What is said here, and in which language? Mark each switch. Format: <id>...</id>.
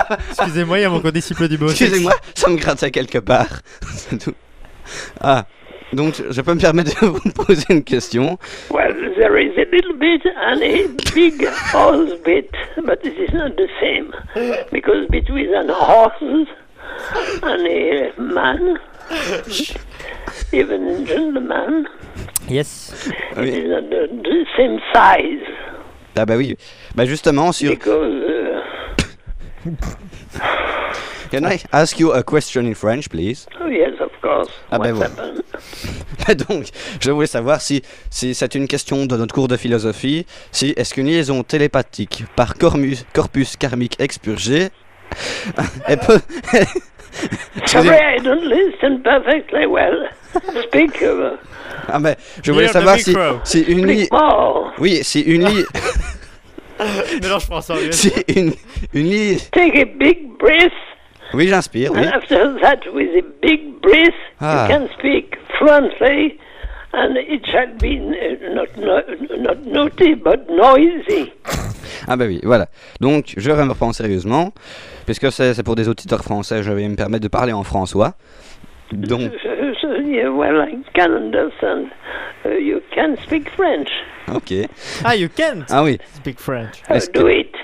<fr>Excusez-moi, il y a mon condisciple du boss. Excusez-moi, ça me grattait quelque part. Ah, donc je peux me permettre de vous poser une question.</fr> <en>Well, there is a little bit and a big horse bit, but it is not the same. Because between a horse and a man, even a gentleman, yes. Oui. It is not the same size.</en> <fr>Ah bah oui. Bah justement sur.</fr> <en>Because. Can I ask you a question in French, please? Oh yes, of course.</en> <fr>Ah what ben voilà. Bon. Donc, je voulais savoir si c'est une question de notre cours de philosophie. Si est-ce qu'une liaison télépathique par corpus karmique expurgé est peu.</fr> <en>Sorry, I don't listen perfectly well. Speak.</en> <fr>Ah mais je voulais</fr> <en>Near</en> <fr>savoir si une liaison. Oui, si une Mais non, je prends ça. Si une liaison.</fr> <en>Take a big breath.</en> <fr>Oui, j'inspire.</fr> <en>And</en> <fr>oui.</fr> <en>After that, with a big breath, you can speak fluently, and it shall be not naughty but noisy.</en> <fr>Ah bah oui, voilà. Donc je reprends sérieusement, puisque c'est pour des auditeurs français, je vais me permettre de parler en françois. Donc.</fr> <en>Well, I can understand. You can speak French. Ok. Ah, you can.</en> <fr>Ah oui.</fr> <en>Speak French. Do it.</en>